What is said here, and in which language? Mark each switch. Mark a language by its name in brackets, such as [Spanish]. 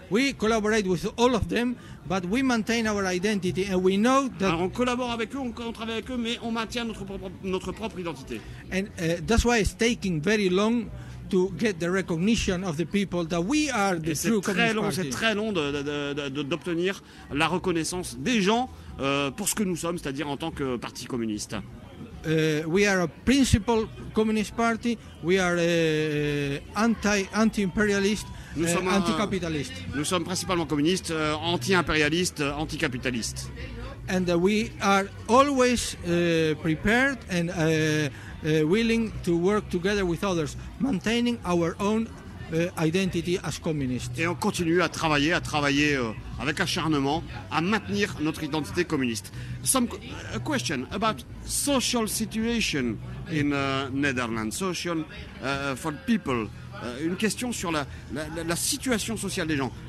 [English] We collaborate with all of them, but we maintain our identity and we know that. [French] Alors, on collabore avec eux, on travaille avec eux, mais on maintient notre propre identité. [English] And that's why it's taking very long to get the recognition of the people that we are the true communist party. [French] C'est très long d'obtenir la reconnaissance des gens pour ce que nous sommes, c'est-à-dire en tant que parti communiste. [English] We are a principal communist party. We are anti-imperialist. Anti-capitalist. [French] Nous sommes principalement communistes, anti-impérialistes, anti-capitalistes. [English] And we are always prepared and willing to work together with others, maintaining our own identity as communists. [French] Et on continue à travailler avec acharnement à maintenir notre identité communiste. [English] A question about social situation in Netherlands, social for people. [French] Une question sur la situation sociale des gens.